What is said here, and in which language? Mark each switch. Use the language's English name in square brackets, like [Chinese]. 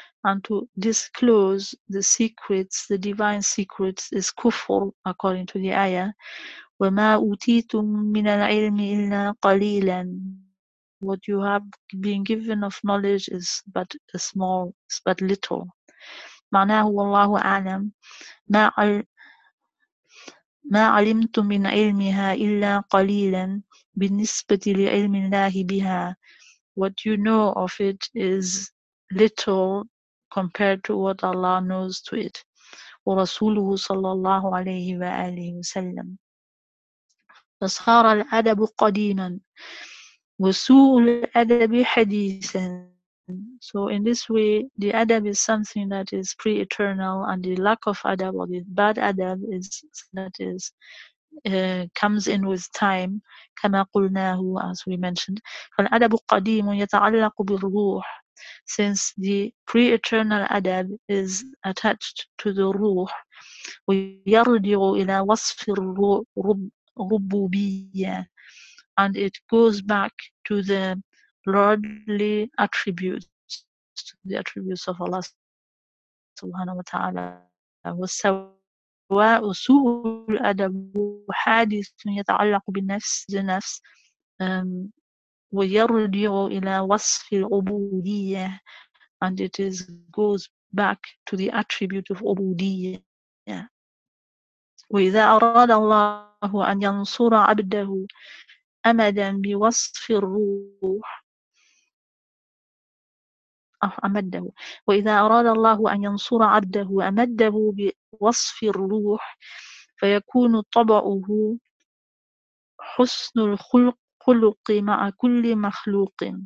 [English] And to disclose the secrets, the divine secrets, is kufr, according to the ayah. [Arabic] وَمَا أُوتِيتُم مِّنَ الْعِلْمِ إِلَّا قَلِيلًا. [English] What you have been given of knowledge is but a small, is but little. [Arabic] معناه والله أعلم ما علمت من علمها إلا قليلا بالنسبة لعلم الله بها. [English] What you know of it is little compared to what Allah knows to it. [Arabic] ورسوله صلى الله عليه وآله وسلم. فصار الأدب قديما وسوء الأدب حديثا. [English] So in this way, the adab is something that is pre-eternal, and the lack of adab or the bad adab is that is comes in with time. [Arabic] كما قلناه, [English] as we mentioned. [Arabic] فالأدب قديم يتعلق بالروح. [English] Since the pre-eternal adab is attached to the ruh, [Arabic] ويرجع إلى وصف الربوبية, [English] and it goes back to the lordly attributes. The attributes of Allah subhanahu wa ta'ala. [Arabic] وسواء سوء الأدب حادث يتعلق بالنفس النفس ويرجع إلى وصف العبودية. [English] And it is goes back to the attribute of عبودية. [Arabic] وإذا أراد الله أن ينصر عبده أمدا بوصف الروح. أمده. وإذا أراد الله أن ينصر عبده أمده بوصف الروح فيكون طبعه حسن الخلق مع كل مخلوق.